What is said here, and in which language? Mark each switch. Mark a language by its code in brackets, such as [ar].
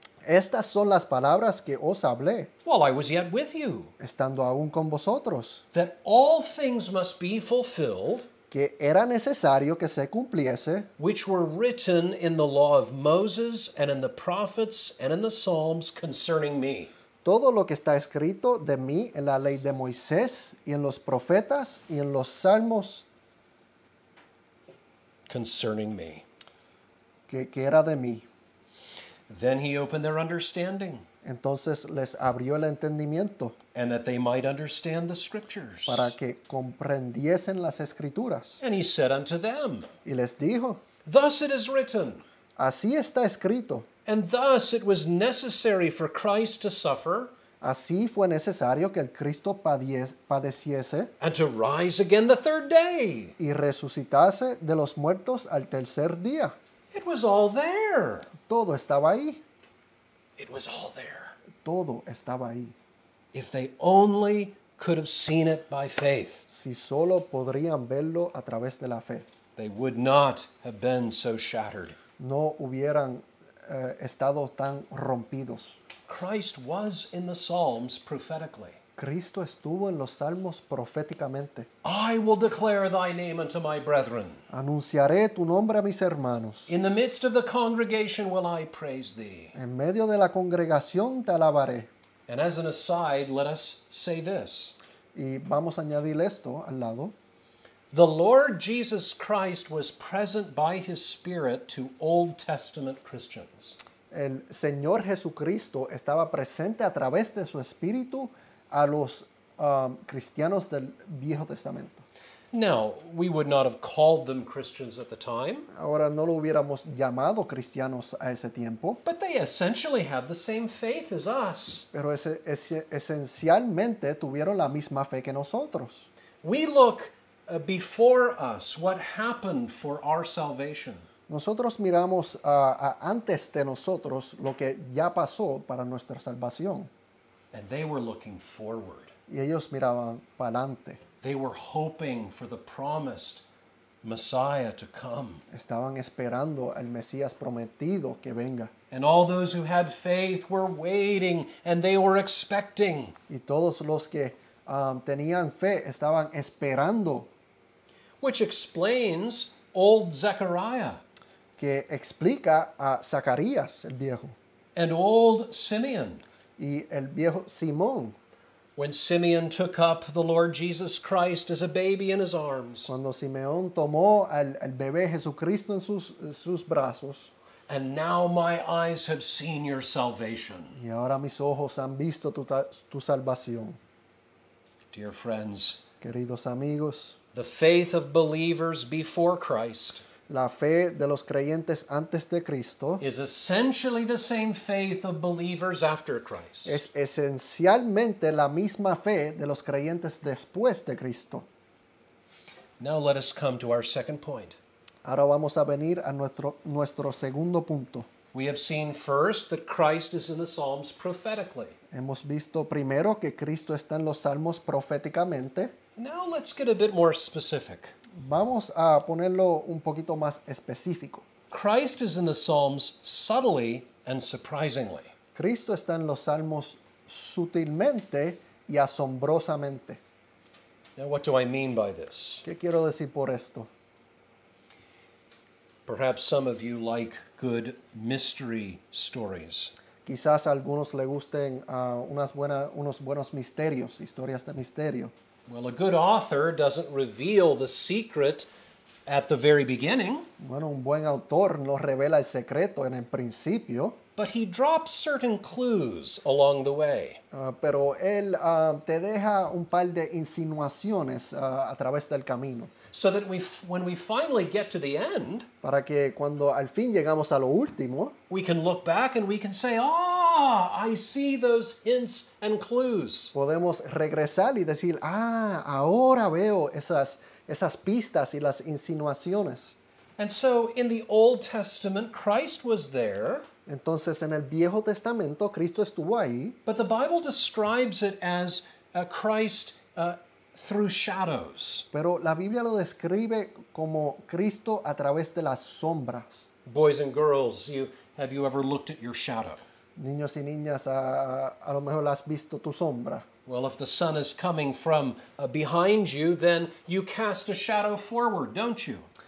[es] Estas son las palabras que os hablé. [en] While I was yet with you. [es] Estando aún con vosotros. [en] That all things must be fulfilled. [es] Que era necesario que se cumpliese. [en] Which were written in the law of Moses and in the prophets and in the Psalms concerning me. [es] Todo lo que está escrito de mí en la ley de Moisés y en los profetas y en los salmos. [en] Concerning me. [es] Que era de mí. [en] Then he opened their understanding. [es] Entonces les abrió el entendimiento. [en] And that they might understand the scriptures. [es] Para que comprendiesen las escrituras. [en] And he said unto them. [es] Y les dijo. [en] Thus it is written. [es] Así está escrito. [en] And thus it was necessary for Christ to suffer. [es] Así fue necesario que el Cristo padeciese. [en] And to rise again the third day. [es] Y resucitase de los muertos al tercer día. [en] It was all there. [es] Todo estaba ahí. [en] It was all there. [es] Todo estaba ahí. [en] If they only could have seen it by faith. [es] Si solo podrían verlo a través de la fe. [en] They would not have been so shattered. [es] No hubieran estado tan rompidos. [en] Christ was in the Psalms prophetically. [es] Cristo estuvo en los salmos proféticamente. [en] I will declare thy name unto my brethren. [es] Anunciaré tu nombre a mis hermanos. [en] In the midst of the congregation will I praise thee. [es] En medio de la congregación te alabaré. [en] And as an aside, let us say this. [es] Y vamos a añadir esto al lado. [en] The Lord Jesus Christ was present by his Spirit to Old Testament Christians. [es] El Señor Jesucristo estaba presente a través de su Espíritu a los cristianos del Viejo Testamento. [en] Now, we would not have called them Christians at the time. [es] Ahora no lo hubiéramos llamado cristianos a ese tiempo. [en] But they essentially had the same faith as us. [es] Pero esencialmente tuvieron la misma fe que nosotros. [en] We look before us what happened for our salvation. [es] Nosotros miramos antes de nosotros lo que ya pasó para nuestra salvación. [en] And they were looking forward. [es] Y ellos miraban para adelante. [en] They were hoping for the promised Messiah to come. [es] Estaban esperando al Mesías prometido que venga. [en] And all those who had faith were waiting and they were expecting. [es] Y todos los que tenían fe estaban esperando. [en] Which explains old Zechariah. [es] Que explica a Zacarías el viejo. [en] And old Simeon. [es] Y el viejo Simón. [en] When Simeon took up the Lord Jesus Christ as a baby in his arms. [es] Cuando Simeón tomó al bebé Jesucristo en sus brazos. [en] And now my eyes have seen your salvation. [es] Y ahora mis ojos han visto tu salvación. [en] Dear friends. [es] Queridos amigos. [en] The faith of believers before Christ. [es] La fe de los creyentes antes de Cristo [en] is essentially the same faith of believers after Christ. [es] Es esencialmente la misma fe de los creyentes después de Cristo. [en] Now let us come to our second point. [es] Ahora vamos a venir a nuestro segundo punto. [en] We have seen first that Christ is in the Psalms prophetically. [es] Hemos visto primero que Cristo está en los Salmos proféticamente. [en] Now let's get a bit more specific. [es] Vamos a ponerlo un poquito más específico. [en] Christ is in the Psalms subtly and surprisingly. [es] Cristo está en los Salmos sutilmente y asombrosamente. [en] Now, what do I mean by this? [es] ¿Qué quiero decir por esto? [en] Perhaps some of you like good mystery stories. [es] Quizás a algunos le gusten unos buenos misterios, historias de misterio. [en] Well, a good author doesn't reveal the secret at the very beginning. [es] Bueno, un buen autor no revela el secreto en el principio. [en] But he drops certain clues along the way. [es] Pero él te deja un par de insinuaciones a través del camino. [en] So that when we finally get to the end, [es] para que cuando al fin llegamos a lo último, [en] we can look back and we can say, "Ah, I see those hints and clues." [es] Podemos regresar y decir, "Ah, ahora veo esas pistas y las insinuaciones." [en] And so in the Old Testament, Christ was there. [es] Entonces, en el Viejo Testamento, Cristo estuvo ahí. [en] But the Bible describes it as Christ through shadows. [es] Pero la Biblia lo describe como Cristo a través de las sombras. [en] Boys and girls, have you ever looked at your shadow? [es] Niños y niñas, a lo mejor has visto tu sombra. [en] Well, if the sun is coming from behind you, then you cast a shadow forward, don't you?